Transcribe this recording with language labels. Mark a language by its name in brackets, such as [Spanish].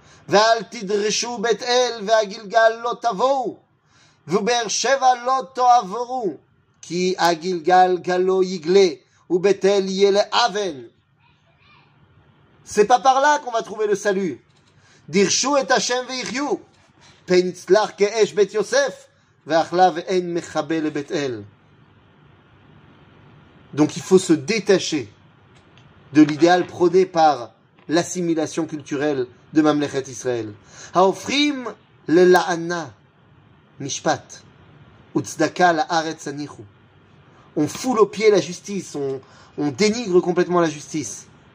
[Hebrew] ועל תדרשו בית אל והגלגל לא תבואו ובאר שבע לא תעברו כי הגלגל גלו יגלה ובית אל יהיה לאבן. [French] C'est pas par là qu'on va trouver le salut. [Hebrew] דרשו את השם ויחיו פן יצלח כאש בית יוסף ואכלה ואין מחבל לבית אל. [French] Donc il faut se détacher de l'idéal prôné par l'assimilation culturelle de Mamlechet Israël. [Hebrew] Haofrim le la'ana mishpat utzdaka la'aretz anichu. [French] On foule au pied la justice, on dénigre complètement la justice.